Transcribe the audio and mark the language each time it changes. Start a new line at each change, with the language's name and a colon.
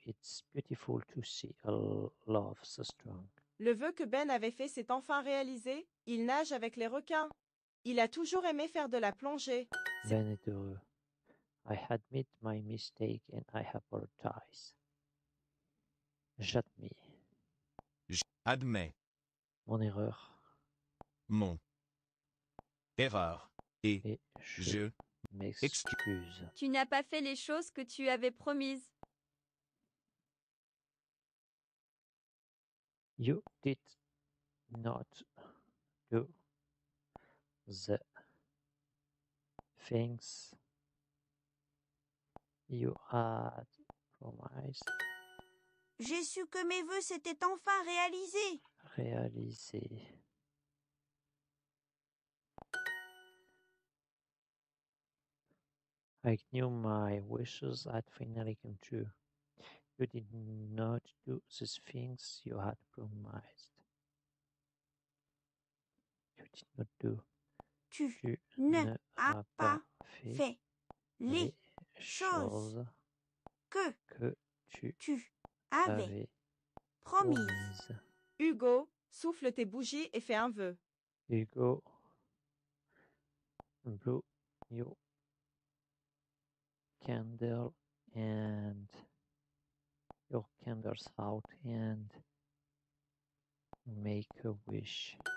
English: It's beautiful to see a love so strong.
French: Le vœu que Ben avait fait s'est enfin réalisé. Il nage avec les requins. Il a toujours aimé faire de la plongée. Ben est heureux.
English: I admit my mistake and I apologize.
French: J'admets mon erreur. Mon erreur. Et je m'excuse. Tu n'as pas fait les choses que tu avais promises.
English: You did not do the things you had promised.
French: J'ai su que mes vœux s'étaient enfin réalisés. Réalisés.
English: I knew my wishes had finally come true. You did not do the things you had promised. You did not do.
French: Tu ne as pas fait les choses que tu avais promises. Hugo, souffle tes bougies et fais un vœu.
English: Hugo, blow your candle and your candles out and make a wish.